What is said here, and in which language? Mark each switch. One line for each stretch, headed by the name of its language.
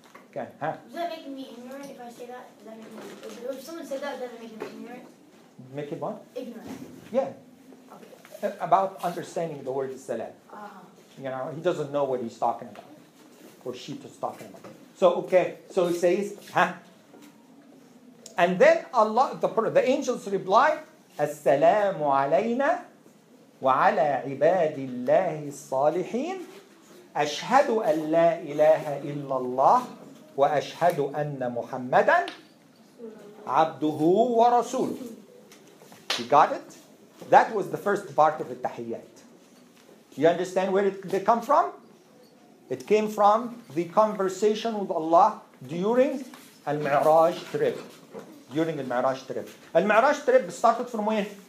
English: Okay, huh? Does that make me ignorant if I say that? Does that make me ignorant? If someone said that, does that make me ignorant? Make it what? Ignorant. Yeah. Okay. About understanding the word salam. You know, he doesn't know what he's talking about. Or she is talking about. So, okay. So he says, huh? And then Allah, the angels reply,
Arabic: السلام علينا وعلى عباد الله الصالحين أشهد أن لا إله إلا الله وأشهد أن محمدا عبده ورسوله.
English: You got it? That was the first part of the tahiyyat. You understand where it come from? It came from the conversation with Allah during al-Mi'raj trip. During the Mi'raj trip. Al-Mi'raj trip started from where?